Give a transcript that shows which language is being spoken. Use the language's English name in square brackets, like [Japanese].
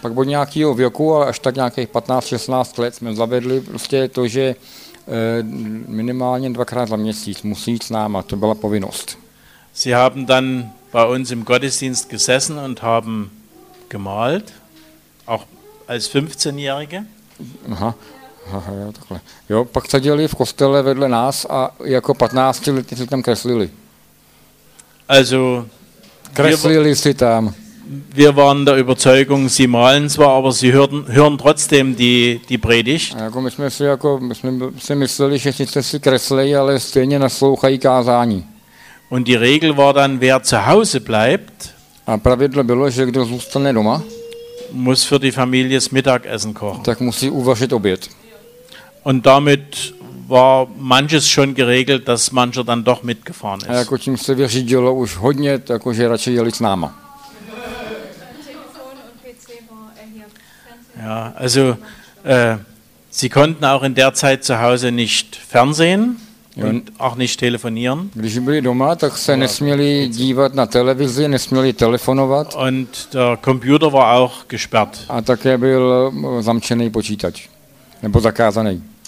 [Czech] Pak od nějakýho věku, až tak nějakých 15, 16 let jsme zavedli prostě to, že minimálně dvakrát za měsíc musí jít s náma, to byla povinnost. [German] Sie haben dann bei uns im Gottesdienst gesessen und haben gemalt, auch als 15-Jährige. [Czech] Aha, jo, takhle. Jo, pak seděli v kostele vedle nás a jako 15-letní si tam kreslili. [German] Also, [Czech] kreslili si tam. [German] Wir waren der Überzeugung, sie malen zwar, aber sie hören trotzdem die Predigt. [Czech] Jako my jsme mysleli, že sice si kreslejí, ale stejně naslouchají kázání. [German] Und die Regel war dann, wer zu Hause bleibt, [Czech] a pravidlo bylo, že kdo zůstane doma, [German] muss für die Familie das Mittagessen kochen. [Czech] Tak musí uvařit oběd. [German] Und damit war manches schon geregelt, dass mancher dann doch mitgefahren ist. [Czech] A jako tím se vyřídilo už hodně, jako že radši jeli s náma. [German] Ja, also sie konnten auch in der Zeit zu Hause nicht fernsehen. Und auch nicht telefonieren. [Czech] Když byli doma, tak se nesměli dívat na televizi, nesměli telefonovat. [German] Und der Computer war auch gesperrt. [Czech] A také byl zamčený počítač, nebo zakázaný.